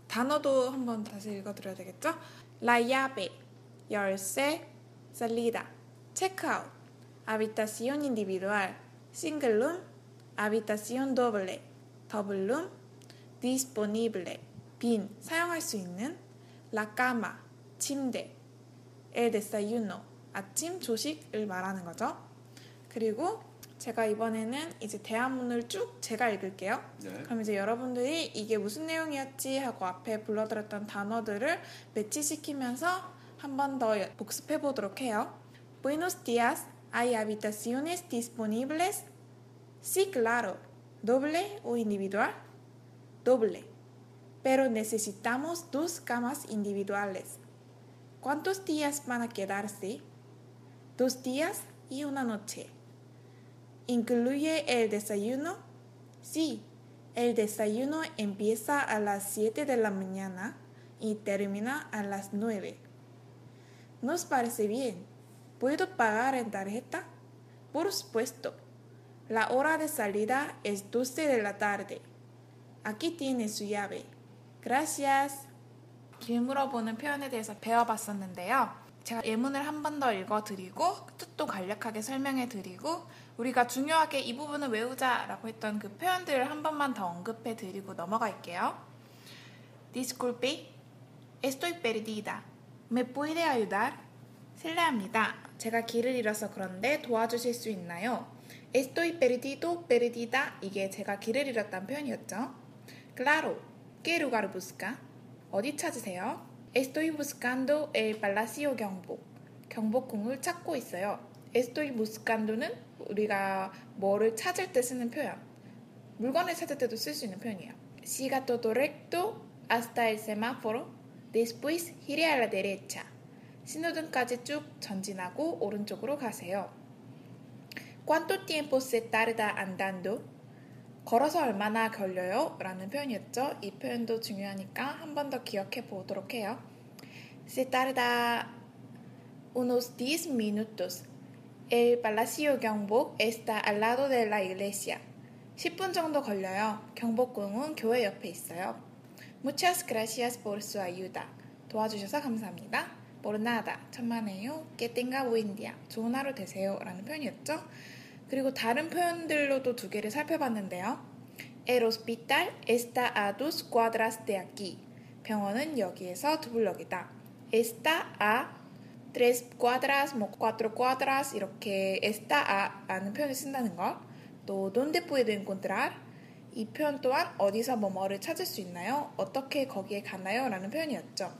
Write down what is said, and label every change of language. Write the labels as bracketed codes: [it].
[ko] 단어도 한번 다시 읽어드려야 되겠죠? 라야베, 열쇠, 살리다, 체크아웃, 아비타시온 인디비두알, 싱글룸, habitación doble, 더블룸, disponible, 빈, 사용할 수 있는, la cama, 침대, el desayuno, 아침, 조식을 말하는 거죠. 그리고 제가 이번에는 이제 대화문을 쭉 제가 읽을게요. 네. 그럼 이제 여러분들이 이게 무슨 내용이었지 하고 앞에 불러드렸던 단어들을 매치시키면서 한 번 더 복습해 보도록 해요. [es] Buenos días, hay habitaciones disponibles? Sí, claro. ¿Doble o individual? Doble. Pero necesitamos dos camas individuales. ¿Cuántos días van a quedarse? Dos días y una noche. ¿Incluye el desayuno? Sí, el desayuno empieza a las 7 de la mañana y termina a las 9. ¿Nos parece bien? ¿Puedo pagar en tarjeta? Por supuesto. La hora de salida es 12 de la tarde. Aquí tiene su llave. Gracias. [ko] 길 물어보는 표현에 대해서 배워봤었는데요. 제가 예문을 한 번 더 읽어드리고 뜻도 간략하게 설명해드리고 우리가 중요하게 이 부분을 외우자라고 했던 그 표현들을 한 번만 더 언급해드리고 넘어갈게요. [es] Disculpe. Estoy perdida. ¿Me puede ayudar? [ko] 실례합니다. 제가 길을 잃어서 그런데 도와주실 수 있나요? [es] Estoy perdido, perdida. [ko] 이게 제가 길을 잃었다는 표현이었죠. [es] Claro. ¿Qué lugar busca? [ko] 어디 찾으세요? [es] Estoy buscando el Palacio 경복. [ko] 경복궁을 찾고 있어요. Estoy buscando는 우리가 뭐를 찾을 때 쓰는 표현. 물건을 찾을 때도 쓸 수 있는 표현이에요. [es] Siga todo recto hasta el semáforo. Después gire a la derecha. [ko] 신호등까지 쭉 전진하고 오른쪽으로 가세요. [es] ¿Cuánto tiempo se tarda andando? [ko] 걸어서 얼마나 걸려요? 라는 표현이었죠. 이 표현도 중요하니까 한 번 더 기억해 보도록 해요. [es] Se tarda unos 10 minutos. El Palacio 경복 está al lado de la iglesia. [ko] 10분 정도 걸려요. 경복궁은 교회 옆에 있어요. [es] Muchas gracias por su ayuda. [ko] 도와주셔서 감사합니다. [es] Por nada, [ko] 천만에요. [es] Que tenga buen día. [ko] 좋은 하루 되세요. 라는 표현이었죠. 그리고 다른 표현들로도 두 개를 살펴봤는데요. [es] El hospital está a dos cuadras de aquí. [ko] 병원은 여기에서 두 블럭이다. [es] Está a tres cuadras, 뭐 cuatro cuadras 이렇게 está a [ko] 라는 표현을 쓴다는 것. [es] 또 donde puedo encontrar? [ko] 이 표현 또한 어디서 뭐뭐를 찾을 수 있나요? 어떻게 거기에 가나요? 라는 표현이었죠.